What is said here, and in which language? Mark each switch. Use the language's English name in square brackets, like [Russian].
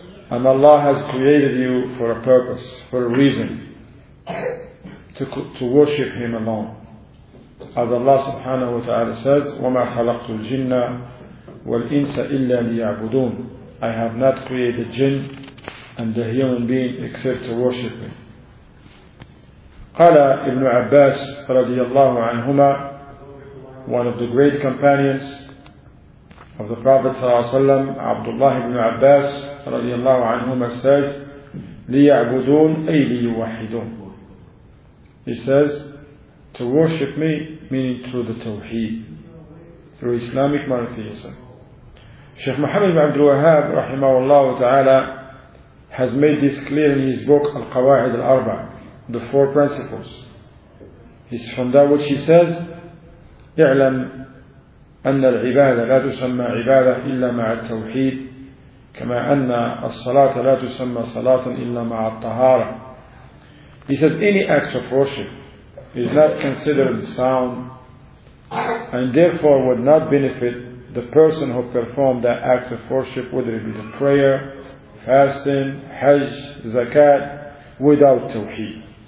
[English] And Allah has created you for a purpose, for a reason, to worship Him alone. As Allah subhanahu wa ta'ala says, [Arabic] وَمَا خَلَقْتُ الْجِنَّ وَالْإِنسَ إِلَّا لِيَعْبُدُونَ. [English] I have not created jinn and the human being except to worship Him. [Arabic] قَالَ إِبْنُ عَبَّاسِ رَضِيَ اللَّهُ عَنْهُمَا, [English] one of the great companions of the Prophet [Arabic] صلى الله عليه وسلم, Abdullah ibn Abbas رضي الله عنهما, says ليعبدون أي ليوحدون. [English] He says to worship me, meaning through the Tawheed, through Islamic monotheism. Sheikh Muhammad ibn Abdul Wahhab رحمه الله تعالى has made this clear in his book Al-Qawa'id Al-Arba, the four principles. It's from that which he says, [Arabic] اعلم أن العبادة لا تسمى عبادة إلا مع التوحيد كما أن الصلاة لا تسمى صلاة إلا مع الطهارة. [English] He says any act of worship is not considered sound and therefore would not benefit the person who performed that act of worship, whether it be the prayer, fasting, hajj, zakat, without tawheed.